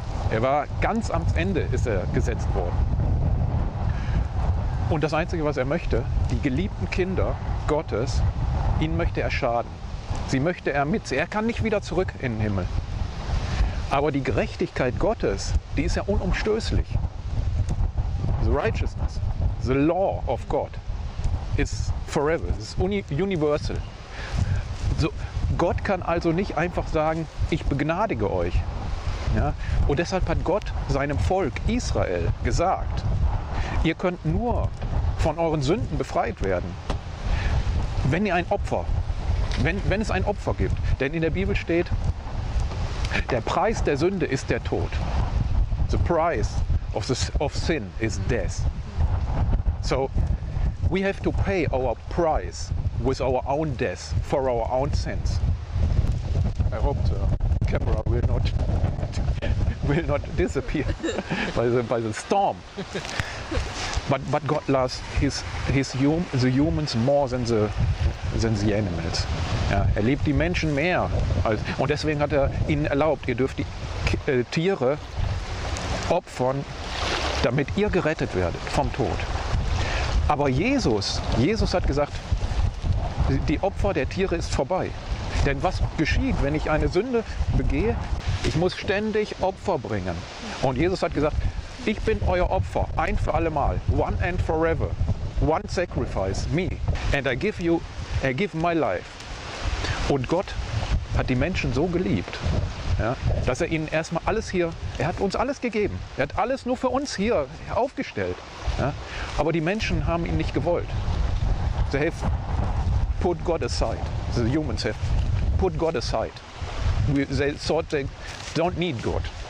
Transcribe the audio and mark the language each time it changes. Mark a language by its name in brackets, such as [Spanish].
[German] Er war ganz am Ende, ist er gesetzt worden. Und das Einzige, was er möchte, die geliebten Kinder Gottes, ihn möchte er schaden. Sie möchte er mit. Er kann nicht wieder zurück in den Himmel. Aber die Gerechtigkeit Gottes, die ist ja unumstößlich. [English] The righteousness, the law of God is forever, is universal. [German] So, Gott kann also nicht einfach sagen, ich begnadige euch. Ja? Und deshalb hat Gott seinem Volk Israel gesagt, ihr könnt nur von euren Sünden befreit werden, wenn ihr ein Opfer, wenn es ein Opfer gibt. Denn in der Bibel steht, der Preis der Sünde ist der Tod. [English] The price of sin is death. So, we have to pay our price with our own death, for our own sins. I hope the camera will not disappear by the storm. But God loves the humans more than the animals. [German] Ja, er liebt die Menschen mehr. Und deswegen hat er ihnen erlaubt, ihr dürft die Tiere opfern, damit ihr gerettet werdet vom Tod. Aber Jesus hat gesagt, die Opfer der Tiere ist vorbei. Denn was geschieht, wenn ich eine Sünde begehe? Ich muss ständig Opfer bringen. Und Jesus hat gesagt, ich bin euer Opfer, ein für alle Mal, [English] one and forever. one sacrifice, me, and I give my life. [German] Und Gott hat die Menschen so geliebt, ja, dass er ihnen erstmal alles hier, er hat uns alles gegeben. Er hat alles nur für uns hier aufgestellt. Ja. Aber die Menschen haben ihn nicht gewollt. [English] They have put God aside. The humans have put God aside. They thought they don't need God.